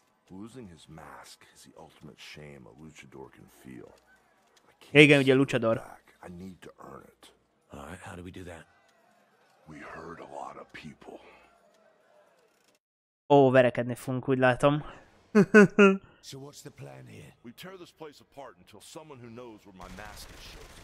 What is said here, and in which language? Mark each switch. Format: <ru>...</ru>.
<en>Losing his mask is the ultimate shame a luchador can feel.</en> <hu>Igen, ugye luchador.</hu> <en>I need to earn it. All right, how do we do that? We heard a lot of people.</en> <hu>Ó, verekedni fogunk, úgy látom.</hu> <en>So what's the plan here? We tear this place apart until someone who knows where my mask is shows.</en>